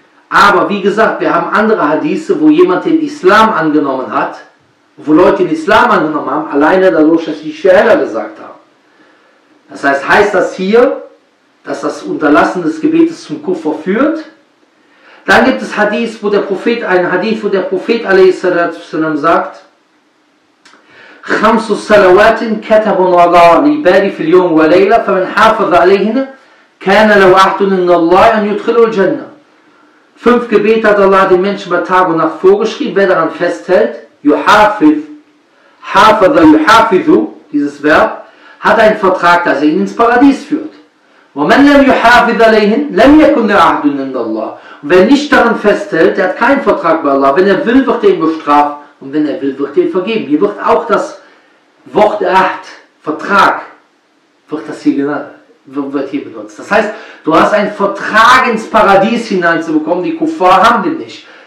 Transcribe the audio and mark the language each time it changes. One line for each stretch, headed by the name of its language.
German: Aber wie gesagt, wir haben andere Hadithe, wo jemand den Islam angenommen hat wo Leute den Islam angenommen haben, alleine dadurch, dass sie die Schahada gesagt haben. Das heißt das hier, dass das Unterlassen des Gebetes zum Kuffer führt? Dann gibt es Hadith, wo der Prophet, ein Hadith, wo der Prophet a.s.w.
Arabic: sagt, خمس صلوات كتب الله لعباده في اليوم والليلة فمن حافظ عليهن كان له عهد من الله أن يدخله الجنة.
German: Fünf Gebete hat Allah den Menschen bei Tag und Nacht vorgeschrieben. Wer daran festhält, يحافظ, حافظ, يحافظ, dieses Verb, hat einen Vertrag, dass er ihn ins Paradies führt.
Arabic: ومن لم يحافظ عليهن لم يكن له عهد من الله.
German: Wer nicht daran festhält, der hat keinen Vertrag bei Allah. Wenn er will, wird er ihn bestraft. Und wenn er will, wird er vergeben. Hier wird auch das Wort Acht, Vertrag, wird das hier genannt, wird hier benutzt. Das heißt, du hast einen Vertrag ins Paradies hineinzubekommen, die Kuffar haben den nicht.